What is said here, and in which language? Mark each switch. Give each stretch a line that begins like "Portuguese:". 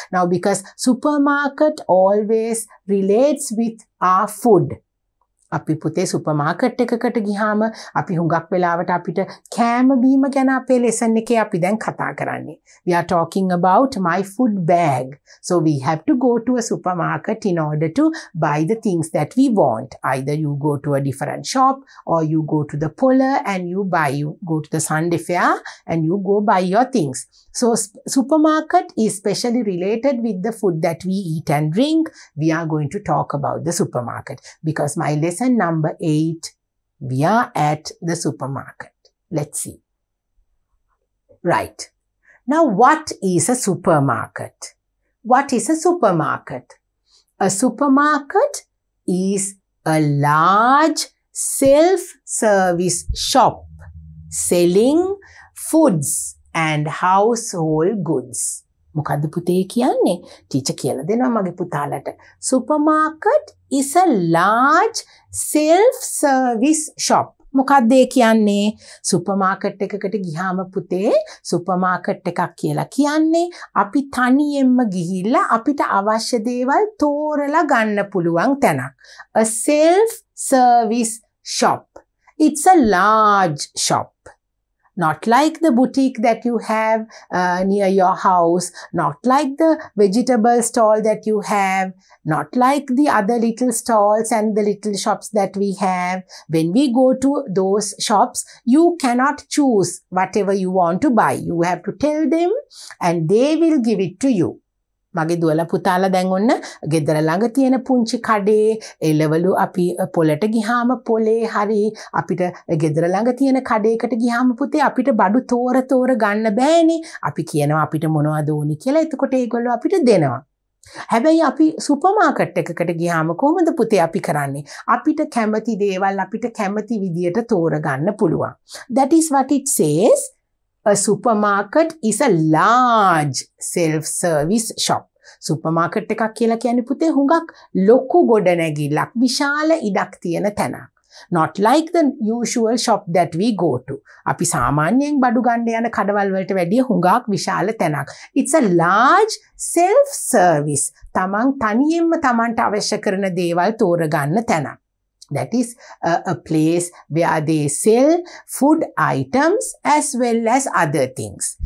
English: Now, because supermarket always relates with our food.
Sinhala: අපි පුතේ super market එකකට ගිහාම අපි හුඟක් වෙලාවට අපිට කෑම බීම ගැන අපේ ලෙසන් එකේ අපි දැන් කතා කරන්නේ.
English: We are talking about my food bag. So we have to go to a supermarket in order to buy the things that we want. Either you go to a different shop or you go to the puller and you buy, you go to the Sunday fair and you go buy your things. So supermarket is specially related with the food that we eat and drink. We are going to talk about the supermarket because my lesson number 8, we are at the supermarket. Let's see. Right. Now, what is a supermarket? What is a supermarket? A supermarket is a large self-service shop selling foods and household goods.
Sinhala: මොකද්ද පුතේ කියන්නේ? Teacher කියලා දෙනවා මගේ පුතාලට.
English: Supermarket is a large self-service shop.
Sinhala: මොකද්ද ඒ කියන්නේ? Supermarket එකකට ගිහාම පුතේ supermarket එකක් කියලා කියන්නේ අපි තනියෙන්ම ගිහිල්ලා අපිට අවශ්‍ය දේවල් තෝරලා ගන්න පුළුවන් තැනක්.
English: A self-service shop. It's a large shop. Not like the boutique that you have near your house, not like the vegetable stall that you have, not like the other little stalls and the little shops that we have. When we go to those shops, you cannot choose whatever you want to buy. You have to tell them and they will give it to you.
Sinhala: මගේ දුවලා පුතාලා දැන් ඔන්න ගෙදර ළඟ තියෙන පුංචි කඩේ එළවලු අපි පොලට ගිහාම පොලේ හරි අපිට ගෙදර ළඟ තියෙන කඩේකට ගිහාම පුතේ අපිට බඩු තෝර තෝර ගන්න බෑනේ. අපි කියනවා අපිට මොනවද ඕනි කියලා. එතකොට ඒගොල්ලෝ අපිට දෙනවා. හැබැයි අපි සුපර් මාකට් එකකට ගිහාම කොහොමද පුතේ අපි කරන්නේ? අපිට කැමති දේවල් අපිට කැමති විදියට තෝර ගන්න පුළුවන්.
English: That is what it says. A supermarket is a large self-service shop.
Sinhala: Supermarket එකක් කියලා කියන්නේ පුතේ හුඟක් ලොකු ගොඩනැගිල්ලක් විශාල ඉඩක් තියෙන තැනක්.
English: Not like the usual shop that we go to.
Sinhala: අපි සාමාන්‍යයෙන් බඩු ගන්න යන කඩවල් වලට වැඩිය හුඟක් විශාල තැනක්.
English: It's a large self-service.
Sinhala: තමන් තනියෙන්ම තමන්ට අවශ්‍ය කරන දේවල් තෝරගන්න තැනක්.
English: That is a place where they sell food items as well as other things.